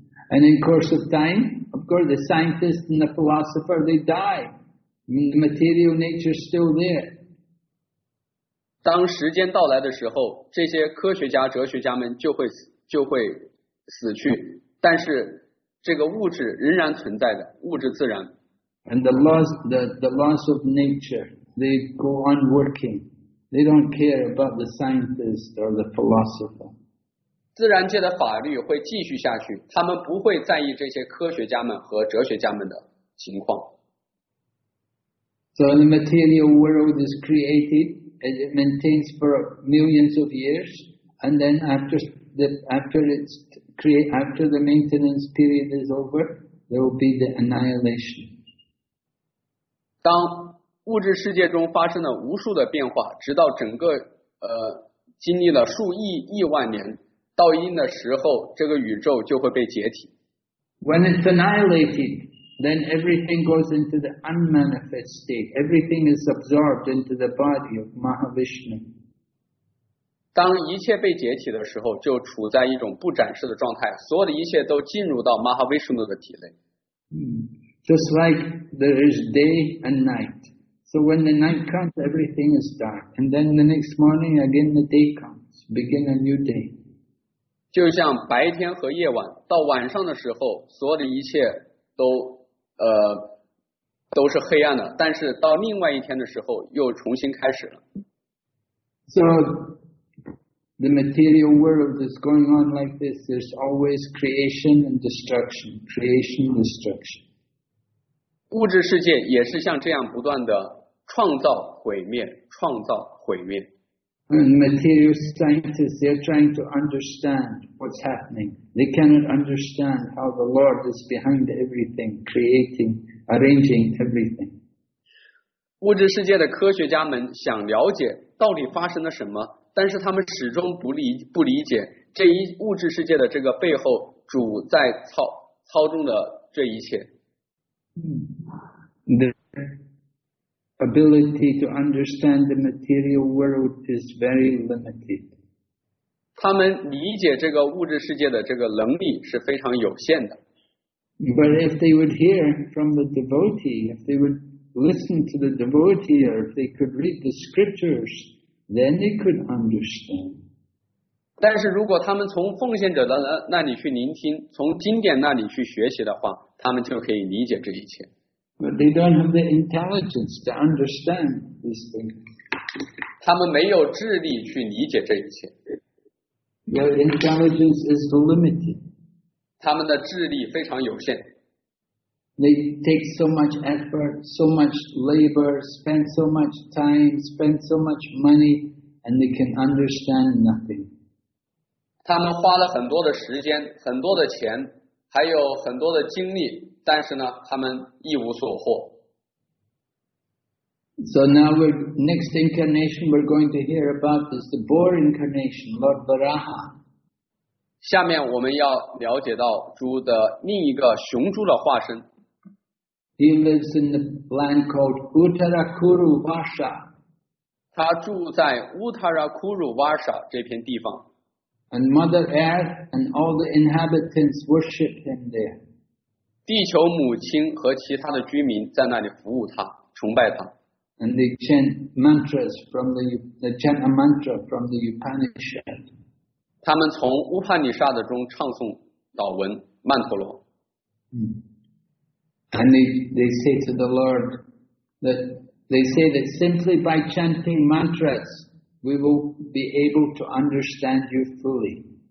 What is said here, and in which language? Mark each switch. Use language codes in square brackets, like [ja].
[en] And in course of time, of course, the scientists and the philosopher, they die. The material nature is still there. [zh] 当时间到来的时候，这些科学家、哲学家们就会死去，但是这个物质仍然存在的，物质自然。 [en] And the laws of nature, they go on working. They don't care about the scientist or the philosopher. [zh] 自然界的法律会继续下去，他们不会在意这些科学家们和哲学家们的情况。 [en] So the material world is created and it maintains for millions of years, and then after the maintenance period is over, there will be the annihilation. [zh] 当物质世界中发生了无数的变化，直到整个经历了数亿万年，到一定的时候，这个宇宙就会被解体。 [en] When it's annihilated, then everything goes into the unmanifest state. Everything is absorbed into the body of Mahavishnu. [zh] 当一切被解体的时候，就处在一种不展示的状态，所有的一切都进入到 Mahavishnu 的体内。 [en] Just like there is day and night. So when the night comes, everything is dark. And then the next morning, again the day comes. Begin a new day. [zh] 就像白天和夜晚，到晚上的时候，所有的一切都是黑暗的，但是到另外一天的时候，又重新开始了。 [en] So the material world is going on like this. There's always creation and destruction. Creation, destruction. [zh] 物质世界也是像这样不断的创造毁灭，创造毁灭。 [en] Material scientists, they're trying to understand what's happening. They cannot understand how the Lord is behind everything, creating, arranging everything. [zh] 物质世界的科学家们想了解到底发生了什么，但是他们始终不理解这一物质世界的这个背后，主在操纵的这一切。 [en] The ability to understand the material world is very limited. [zh] 他们理解这个物质世界的这个能力是非常有限的。 [en] But if they would hear from the devotee, if they would listen to the devotee, or if they could read the scriptures, then they could understand. [zh] 但是如果他们从奉献者的那里去聆听，从经典那里去学习的话，他们就可以理解这一切。 [en] But they don't have the intelligence to understand this thing. [zh] 他们没有智力去理解这一切。 [en] Their intelligence is limited. [zh] 他们的智力非常有限。 [en] They take so much effort, so much labor, spend so much time, spend so much money, and they can understand nothing. [zh] 他们花了很多的时间，很多的钱，还有很多的精力，但是呢，他们一无所获。 [en] So now we're, next incarnation we're going to hear about is the boar incarnation, Lord Varaha. [zh] 下面我们要了解到猪的另一个雄猪的化身。 [en] He lives in the land called Uttarakuru Varsha. [zh] 他住在 Uttarakuru Varsha 这片地方。 [en] And Mother Earth and all the inhabitants worship him there. [zh] 地球母亲和其他的居民在那里服务他，崇拜他。 [en] And they chant mantras from the chant a mantra from the Upanishad. [zh] 他们从乌帕尼沙德中唱诵祷文曼陀罗。 [en] And they say to the Lord that they say that simply by chanting mantras we will be able to understand you fully.